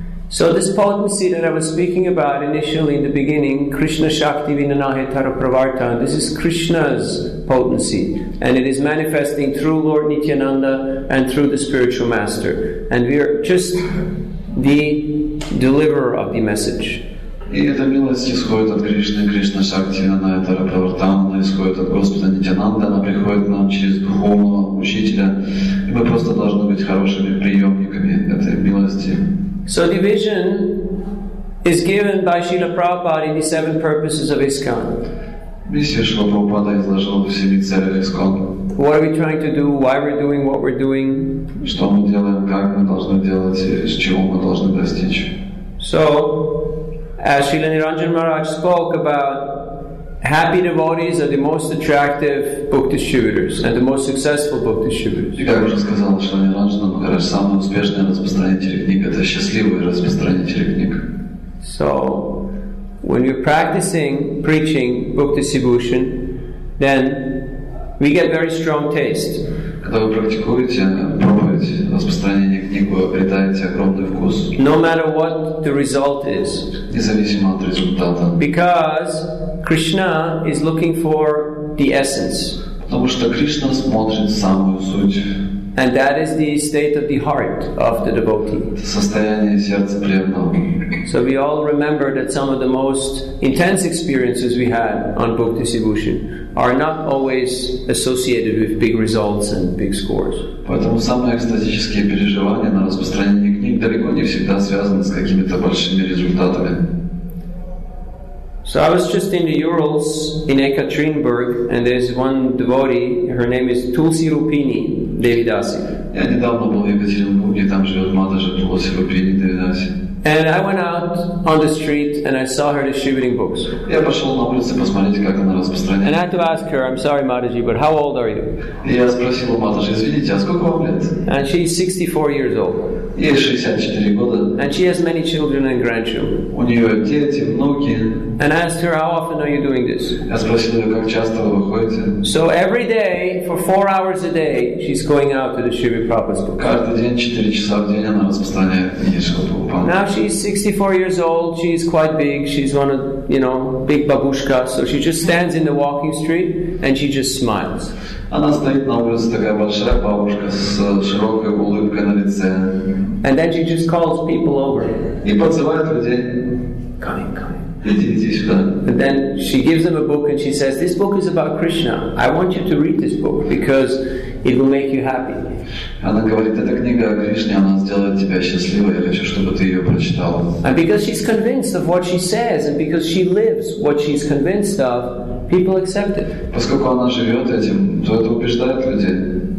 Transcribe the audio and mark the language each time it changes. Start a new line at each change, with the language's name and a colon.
English: So this potency that I was speaking about initially in the beginning, Krishna Shakti Vinanahe Tara Pravarta, this is Krishna's potency, and it is manifesting through Lord Nityananda and through the spiritual master, and we are just the deliverer of the message.
Russian: И эта милость исходит от Кришны, Кришна Шакти, она это Рапрартан, она исходит от Господа Нитянанда, она приходит к нам через духовного учителя, и мы просто должны быть хорошими приемниками этой милости.
English: So the vision is given by Srila Prabhupada in the seven purposes of ISKCON.
Russian: Миссия Шрила Прабхупада изложила в семи целях ISKCON.
English: What are we trying to do? Why we're doing what we're doing?
Russian: Что мы делаем, как мы должны делать, и с чего мы должны достичь.
English: So, as Srila Niranjan Maharaj spoke about, happy devotees are the most attractive book distributors and the most successful book distributors.
Russian: И как уже сказал Шрила Ниранджана Махарадж, самые успешные распространители книг — это счастливые распространители книг.
English: So, when you're practicing preaching book distribution, then we get very strong taste.
Russian: Когда вы практикуете проповедь, распространение книг, вы обретаете огромный вкус.
English: No matter what the result is.
Russian: Независимо от результата.
English: Because Krishna is looking for the essence.
Russian: Потому что Кришна смотрит самую суть.
English: And that is the state of the heart of the devotee.
Russian: Состояние сердца преданного.
English: So we all remember that some of the most intense experiences we had on book distribution are not always associated with big results and big scores.
Russian: Поэтому самые экстатические переживания на распространении книг далеко не всегда связаны с какими-то большими результатами.
English: So I was just in the Urals in Ekaterinburg, and there's one devotee, her name is Tulsi Rupini Devidasi.
Russian: Я недавно был в Екатеринбурге, там живет Матаджи Тулси Рупини Девидаси.
English: And I went out on the street and I saw her distributing books.
Russian: Я пошел на улицу посмотреть, как она распространяет.
English: And I had to ask her, I'm sorry, Mataji, but how old are you?
Russian: Я спросил у Матаджи, извините, а сколько вам лет?
English: And she's 64 years old.
Russian: Ей 64 года.
English: And she has many children and grandchildren.
Russian: У нее дети, внуки.
English: And I asked her, how often are you doing this?
Russian: Я спросил ее, как часто вы выходите?
English: So every day, for 4 hours a day, she's going out to distribute Prabhupada's books.
Russian: Каждый день, 4 часа в день, она распространяет книги Шрила Прабхупады.
English: Now she's 64 years old, she's quite big, she's one of, you know, big babushka, so she just stands in the walking street and she just smiles.
Russian: Она стоит на улице, такая большая бабушка с широкой улыбкой на лице.
English: And then she just calls people over.
Russian: И подзывает людей.
English: Coming, coming.
Russian: Иди
English: and then she gives them a book and she says, this book is about Krishna. I want you to read this book because it will make you happy.
Russian: Она говорит, эта книга о Кришне, она сделает тебя счастливой. Я хочу, чтобы ты ее прочитал.
English: And because she's convinced of what she says and because she lives what she's convinced of, people accept it.
Russian: Поскольку она живет этим, то это убеждает людей.